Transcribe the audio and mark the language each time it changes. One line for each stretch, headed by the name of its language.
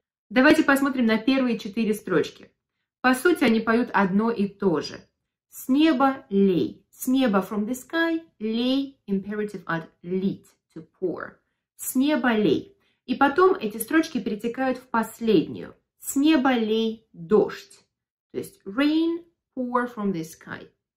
Russian: Давайте посмотрим на первые четыре строчки. По сути, они поют одно и то же. С неба лей. С неба
English: from the sky,
Russian: лей,
English: imperative
Russian: от лит,
English: to pour.
Russian: С неба лей. И потом эти строчки перетекают в последнюю. С неба лей дождь. То есть
English: rain, pour from the sky.